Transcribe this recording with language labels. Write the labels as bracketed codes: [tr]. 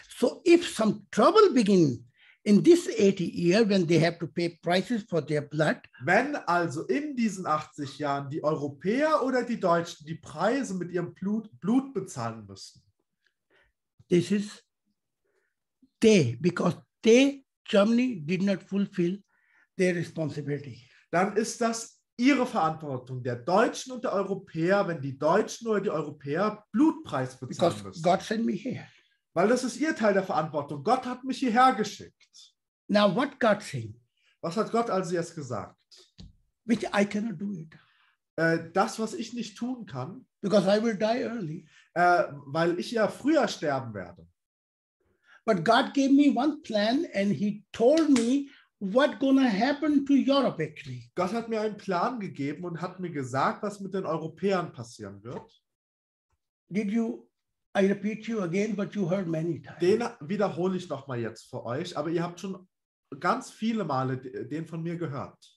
[en] So if some trouble begin in this 80 year when they have to pay prices for their blood, [de] wenn also in diesen 80 Jahren die Europäer oder die Deutschen die Preise mit ihrem Blut bezahlen müssen, [en] this is they, because they, Germany did not fulfill their responsibility, [de] dann ist das ihre Verantwortung, der Deutschen und der Europäer, wenn die Deutschen oder die Europäer Blutpreis bezahlen because müssen. [en] God sent me here. [de] Weil das ist ihr Teil der Verantwortung. Gott hat mich hierher geschickt. [en] Now what God saying? [de] Was hat Gott also jetzt gesagt? [en] Which I cannot do it. [de] Das, was ich nicht tun kann. [en] Because I will die early. [de] Weil ich ja früher sterben werde. [en] But God gave me one plan and he told me what gonna happen to Europe actually. [de] Gott hat mir einen Plan gegeben und hat mir gesagt, was mit den Europäern passieren wird. [en] I repeat you again, but you heard many times. [de] Den wiederhole ich noch mal jetzt für euch, aber ihr habt schon ganz viele Male den von mir gehört.